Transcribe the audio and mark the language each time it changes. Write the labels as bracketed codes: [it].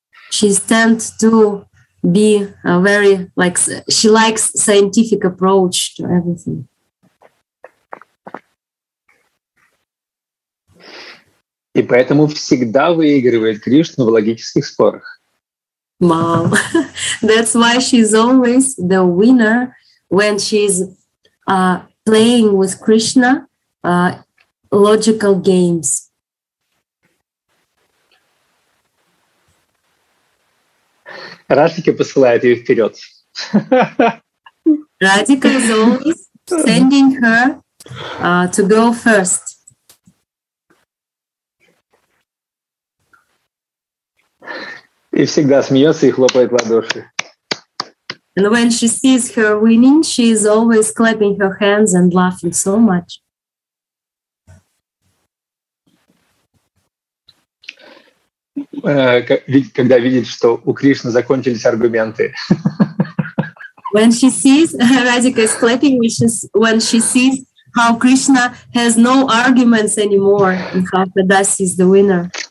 [en] She tends to be a very like she likes scientific approach to everything. [ru] И поэтому всегда выигрывает Кришна в логических спорах. [en] Wow. That's why she's always the winner when she's playing with Krishna logical games. [ru] Радика посылает ее вперед. [en] Радика is always sending her to go first. [ru] И всегда смеется и хлопает в ладоши. [en] And when she sees her winning, she is always clapping her hands and laughing so much. [ru] Когда видит, что у Кришны закончились аргументы. [en] When she sees Radhika is clapping, when she sees how Krishna has no arguments anymore and how Padasi is the winner.